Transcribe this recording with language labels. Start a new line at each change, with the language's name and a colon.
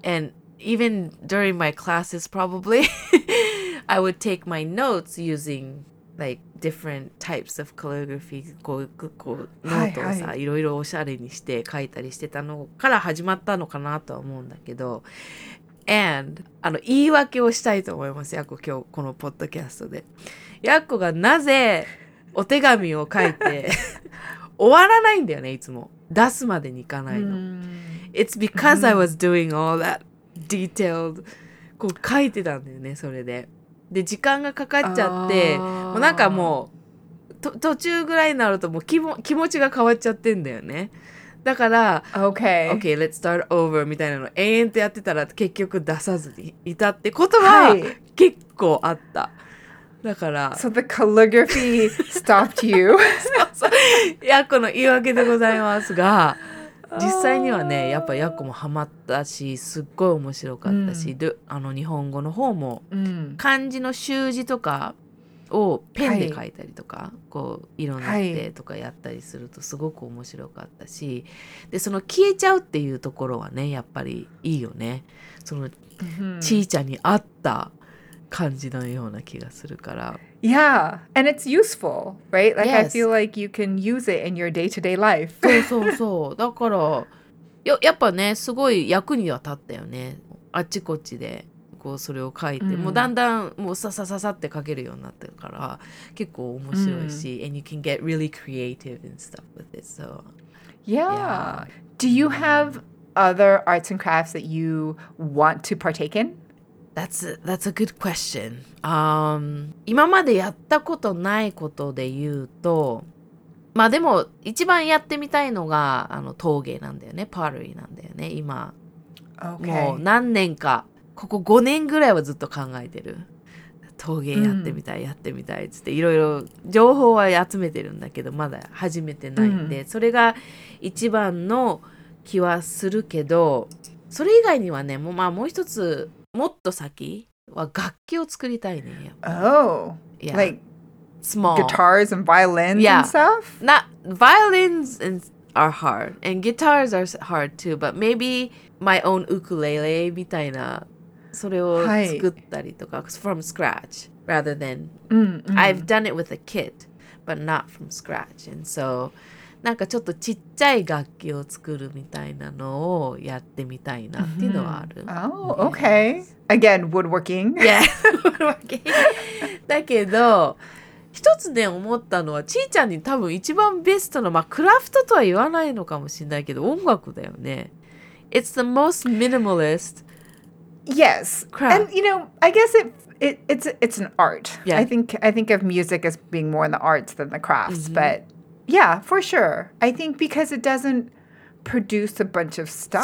English: And even during my classes, probably, I would take my notes using, like, different types of calligraphy.
Japanese: こう、ノートをさ、いろいろおしゃれにして書いたりしてたのから始まったのかなとは思うんだけど、And, あの、言い訳をしたいと思います。ヤコ、今日、このポッドキャストで。ヤコがなぜ、お手紙を書いて、終わらないんだよね、いつも。出すまでにいかないの。
English: It's because I was doing all that detailed.
Japanese: こう、書いてたんだよね、それで。で、時間がかかっちゃって、もうなんかもう、途中ぐらいになると、もう気持ちが変わっちゃってんだよね。だから、
English: okay. okay, let's start over
Japanese: みたいなの延々とやってたら結局出さずにいたってことは結構あった。だから。
English: So the calligraphy stopped you.
Japanese: そうそう。ヤコの言い訳でございますが、実際にはね、やっぱヤコもハマったし、すっごい面白かったし、あの日本語の方も、漢字の習字とか、をペンで書いたりとか、こう色塗ってとかやったりするとすごく面白かったし、でその消えちゃうっていうところはね、やっぱりいいよね。そのちーちゃんに会った感じのような気がするから。
English: Yeah, and it's useful, right? Like、yes. I feel like you can use it in your day-to-day life.
Japanese: そうそうそう。だから、やっぱね、すごい役には立ったよね。あっちこっちでこうそれを書いて、mm. もうだんだんもうさささって書けるようになってるから、結構面白いし、mm.
English: and you can get really creative and stuff with it. So, yeah. Do you have other arts and crafts that you want to partake in? That's a good question.
Japanese: 今までやったことないことで言うと、まあでも一番やってみたいのがあの陶芸なんだよね、パーティーなんだよね、今。
English: Okay.
Japanese: もう何年か、ここ5年ぐらいはずっと考えてる。陶芸やってみたい、mm. やってみたいっていろいろ情報は集めてるんだけど、まだ始めてないんで、mm. それが一番の気はするけど、それ以外にはね、もうまあもう一つ、もっと先は楽器を作りたいね。
English: Oh, yeah. Like small guitars and violins、 yeah. and stuff. Not violins are hard and guitars are hard too. But maybe my own ukulele
Japanese: みたいなそれを作ったりとか、はい、
English: from scratch rather than、 mm-hmm. I've done it with a kit, but not from scratch. And so
Japanese: なんかちょっとちっちゃい楽器を作るみたいなのをやってみたいなっていうのはある。
English: Mm-hmm. Oh, okay. Again, woodworking. Yeah, woodworking.
Japanese: だけど、一つね思ったのは、ちーちゃんに多分一番ベストの、まあクラフトとは言わないのかもしれないけど、音楽だよね。
English: It's the most minimalist. Yes. Craft. And you know, I guess it's an art. Yeah. I think of music as being more in the arts than the crafts,、mm-hmm. but. Yeah, for sure. I think because it doesn't produce a bunch of stuff.